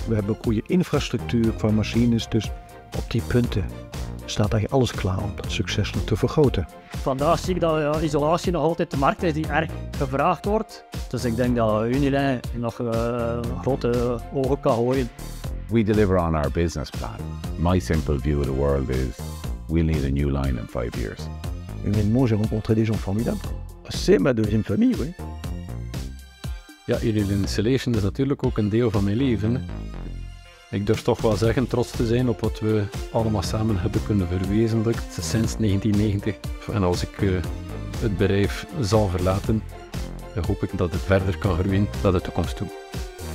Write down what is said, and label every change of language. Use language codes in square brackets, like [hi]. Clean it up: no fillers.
[nl] We hebben een goede infrastructuur van machines, dus op die punten staat eigenlijk alles klaar om dat succeselijk te vergroten. Vandaag zie ik dat isolatie nog altijd de markt is die erg gevraagd wordt. Dus ik denk dat Unilin nog grote ogen kan gooien. [en] We deliver on our business plan. My simple view of the world is we need a new line in 5 years. [fr] Humainement, j'ai rencontré des gens formidables. C'est ma deuxième famille, oui. [nl] Ja, Unilin Insulation is natuurlijk ook een deel van mijn leven. Ik durf toch wel zeggen trots te zijn op wat we allemaal samen hebben kunnen verwezenlijken sinds 1990. En als ik het bedrijf zal verlaten, dan hoop ik dat het verder kan groeien naar de toekomst toe.